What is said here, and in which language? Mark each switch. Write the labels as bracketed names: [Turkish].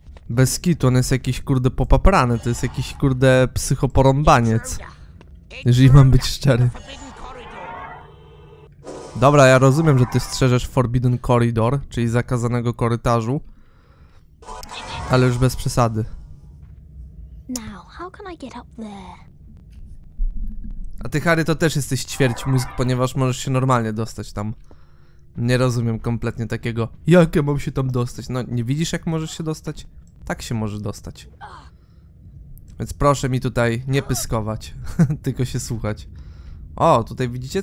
[Polish] Bez kitu, on jest jakiś kurde popaprany, to jest jakiś kurde psychoporąbaniec. Jeżeli mam być szczery. Dobra, ja rozumiem, że ty strzeżesz Forbidden Corridor, czyli zakazanego korytarzu. Ale już bez przesady. [English] Now, how can I get up there? [Polish] A ty, Harry, to też jesteś ćwierć mózg, ponieważ możesz się normalnie dostać tam. Nie rozumiem kompletnie takiego. Jak ja mam się tam dostać? No, nie widzisz, jak możesz się dostać? Tak się możesz dostać. Więc proszę mi tutaj nie pyskować, tylko się słuchać. O, tutaj widzicie?